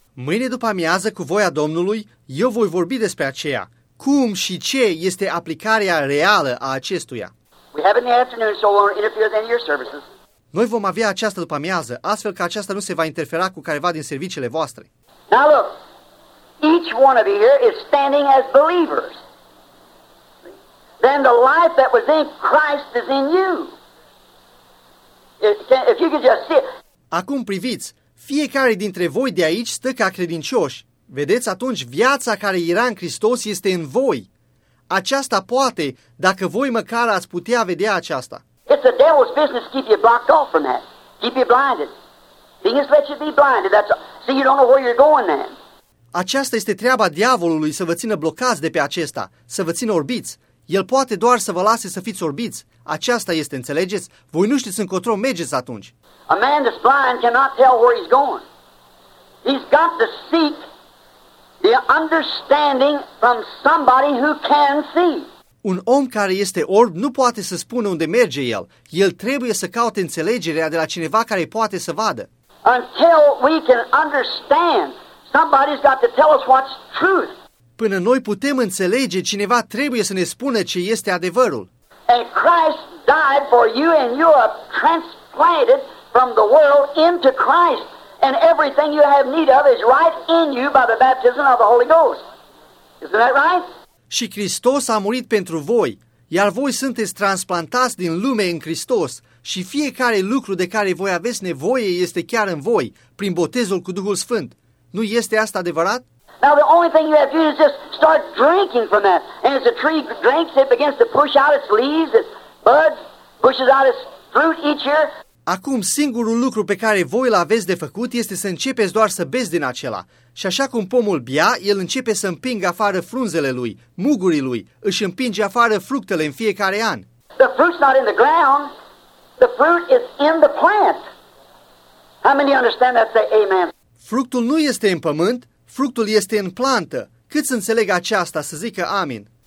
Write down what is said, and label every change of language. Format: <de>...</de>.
<ro>Mâine după amiază, cu voia Domnului, eu voi vorbi despre aceea. Cum și ce este aplicarea reală a acestuia?</ro> <en>We have in the afternoon, so we won't interfere with any of your services.</en> <ro>Noi vom avea aceasta după amiază, astfel că aceasta nu se va interfera cu careva din serviciile voastre.</ro> <en>Now look, each one of you here is standing as believers. Then the life that was in Christ is in you. If you could just see it.</en> <ro>Acum priviți, fiecare dintre voi de aici stă ca credincioși. Vedeți, atunci viața care era în Hristos este în voi. Aceasta poate, dacă voi măcar ați putea vedea aceasta.</ro> <en>It's the devil's business to keep you blocked off from that. Keep you blinded. Things let you be blinded. That's all. See, you don't know where you're going then.</en> <ro>Aceasta este treaba diavolului să vă țină blocați de pe acesta, să vă țină orbiți. El poate doar să vă lase să fiți orbiți. Aceasta este, înțelegeți? Voi nu știți încotro mergeți atunci.</ro> <en>A man that's blind cannot tell where he's going. He's got to seek the understanding from somebody who can see.</en> <ro>Un om care este orb nu poate să spună unde merge el. El trebuie să caute înțelegerea de la cineva care poate să vadă.</ro> <en>Until we can understand, somebody's got to tell us what's truth.</en> <ro>Până noi putem înțelege, cineva trebuie să ne spună ce este adevărul.</ro> <en>And Christ died for you and you are transplanted from the world into Christ. And everything you have need of is right in you by the baptism of the Holy Ghost. Isn't that right?</en> <ro>Și Hristos a murit pentru voi, iar voi sunteți transplantați din lume în Hristos și fiecare lucru de care voi aveți nevoie este chiar în voi, prin botezul cu Duhul Sfânt. Nu este asta adevărat?</ro> <en>Now the only thing you have to do is just start drinking from that. And as the tree drinks, it begins to push out its leaves, its buds, pushes out its fruit each year.</en> <ro>Acum, singurul lucru pe care voi l-aveți de făcut este să începeți doar să beți din acela. Și așa cum pomul bea, el începe să împingă afară frunzele lui, mugurii lui, își împinge afară fructele în fiecare an.</ro> <en>The fruit's not in the ground, the fruit is in the plant. How many understand that? Say amen.</en> <ro>Fructul nu este în pământ, fructul este în plantă. Cât să înțeleg aceasta, să zică amin.</ro>